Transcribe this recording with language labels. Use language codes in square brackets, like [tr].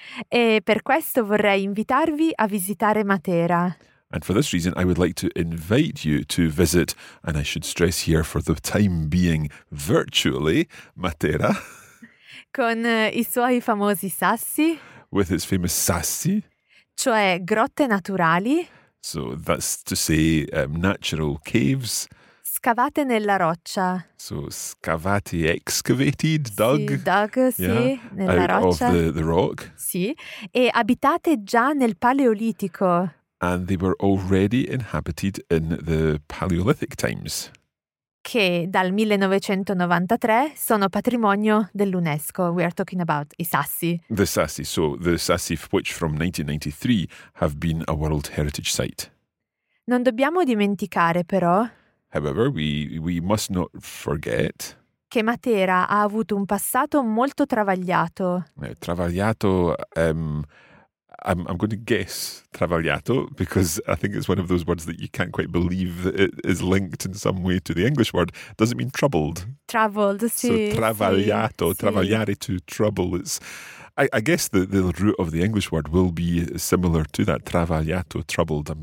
[it] E per questo vorrei invitarvi a visitare Matera. [en] And for this reason, I would like to invite you to visit, and I should stress here for the time being, virtually, Matera. [it] Con I suoi famosi sassi. [en] With its famous sassi. [it] Cioè grotte naturali. [en] So that's to say natural caves. [it] Scavate nella roccia. [en] So, scavati, excavated, dug. [it] Sì, dug, sì, [en] yeah, [it] nella [en] out [it] roccia. [en] Out of the rock. [it] Sì, e abitate già nel Paleolitico. [en] And they were already inhabited in the Paleolithic times. [it] Che dal 1993 sono patrimonio dell'UNESCO. [en] We are talking about I Sassi. The Sassi, so the Sassi which from 1993 have been a World Heritage Site. [it] Non dobbiamo dimenticare però... [en] However, we must not forget [it] che Matera ha avuto un passato molto travagliato. [en] Travagliato, I'm going to guess travagliato because I think it's one of those words that you can't quite believe that it is linked in some way to the English word. Does it mean troubled? Troubled, sì. So travagliato, sì, travagliare, sì. To trouble. It's, I guess the root of the English word will be similar to that, travagliato, troubled.